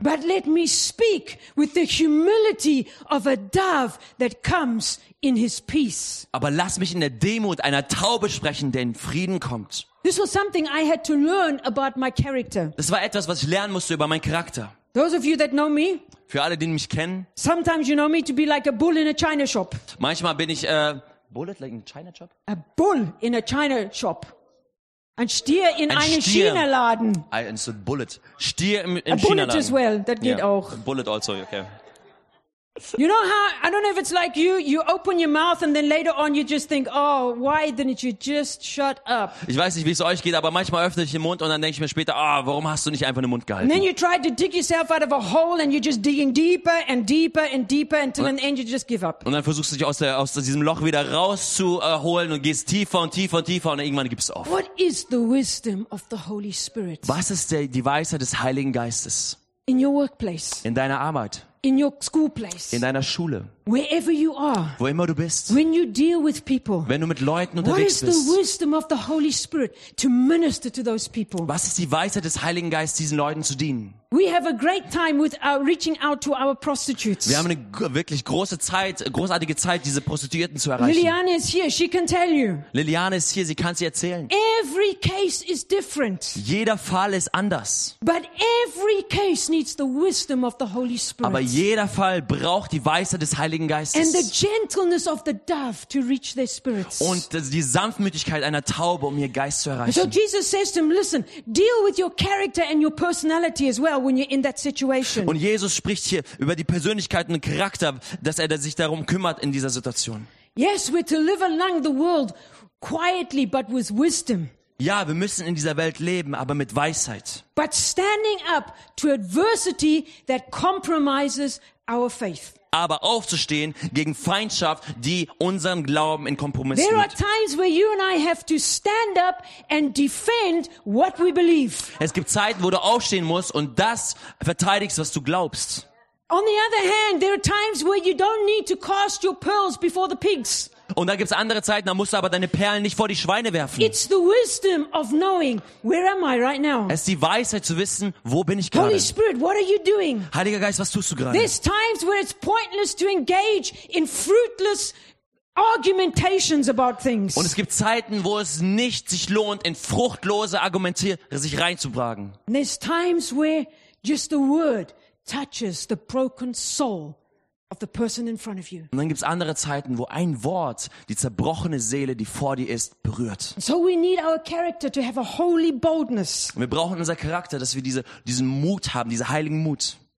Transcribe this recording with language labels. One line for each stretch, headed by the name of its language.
English: But let me speak with the humility of a dove that comes in his peace.
German: Aber lass mich in der Demut einer Taube sprechen, denn Frieden kommt.
English: This was something I had to learn about my character.
German: Das war etwas, was ich lernen musste über meinen Charakter.
English: Those of you that know me.
German: Für alle, die mich kennen.
English: Sometimes you know me to be like a bull in a china shop.
German: Manchmal bin ich
English: bullet like in a china shop. A bull in a china shop.
German: Ein Stier in einem China-Laden.
English: It's a bullet.
German: Stier im China-Laden.
English: A bullet as well. That
German: geht auch.
English: A bullet also, okay. You know how, I don't know if it's like you open your mouth and then later on you just think, oh, why didn't you just shut up?
German: Ich weiß nicht, wie es euch geht, aber manchmal öffne ich den Mund und dann denke ich mir später, oh, warum hast du nicht einfach den Mund gehalten?
English: And then you try to dig yourself out of a hole and you're just digging deeper and deeper and deeper until in the end you just give up.
German: Und dann versuchst du dich aus diesem Loch wieder rauszuholen und gehst tiefer und tiefer und tiefer und irgendwann gibst du auf.
English: What is the wisdom of the Holy Spirit?
German: Was ist die Weisheit des Heiligen Geistes?
English: In your workplace.
German: In deiner Arbeit.
English: In your school place.
German: In deiner Schule.
English: Wherever you are.
German: Wo immer du bist.
English: When you deal with people.
German: Wenn du mit Leuten unterwegs bist.
English: What is the wisdom of the Holy Spirit to minister to those people?
German: Was ist die Weisheit des Heiligen Geistes, diesen Leuten zu dienen?
English: We have a great time with reaching out to our prostitutes.
German: Wir haben eine wirklich großartige Zeit, diese Prostituierten zu erreichen.
English: Liliane is here. She can tell you.
German: Liliane ist hier. Sie kann sie erzählen.
English: Every case is different.
German: Jeder Fall ist anders.
English: But every case needs the wisdom of the Holy Spirit.
German: Aber jeder Fall braucht die Weisheit des Heiligen Geistes.
English: And the gentleness of the dove to reach their spirits.
German: Und die Sanftmütigkeit einer Taube, um ihr Geist zu erreichen.
English: So Jesus says to him, listen, deal with your character and your personality as well. When you're in that situation.
German: Und Jesus spricht hier über die Persönlichkeit und den Charakter, dass er sich darum kümmert in dieser Situation.
English: Yes, we're to live along the world quietly, but with wisdom.
German: Ja, wir müssen in dieser Welt leben, aber mit Weisheit.
English: But standing up to adversity that compromises our faith.
German: aber aufzustehen gegen Feindschaft, die unseren Glauben in Kompromiss bringt.
English: There are times where you and I have to stand up and defend what we believe.
German: Es gibt Zeiten, wo du aufstehen musst und das verteidigst, was du glaubst.
English: On the other hand, there are times where you don't need to cast your pearls before the pigs.
German: Und da gibt's andere Zeiten, da musst du aber deine Perlen nicht vor die Schweine werfen.
English: It's the wisdom of knowing where am I right now.
German: Es ist die Weisheit zu wissen, wo bin ich gerade.
English: Holy Spirit, what are you doing?
German: Heiliger Geist, was tust du gerade?
English: There's times where it's pointless to engage in fruitless argumentations about things.
German: Und es gibt Zeiten, wo es nicht sich lohnt, in fruchtlose Argumentieren sich reinzubragen.
English: There's times where just the word touches the broken soul of the person in front of you.
German: Und dann gibt's andere Zeiten, wo ein Wort die zerbrochene Seele, die vor dir ist, berührt.
English: So we need our character to have a holy boldness.
German: Wir brauchen unser Charakter, dass wir diesen Mut haben, diesen heiligen Mut.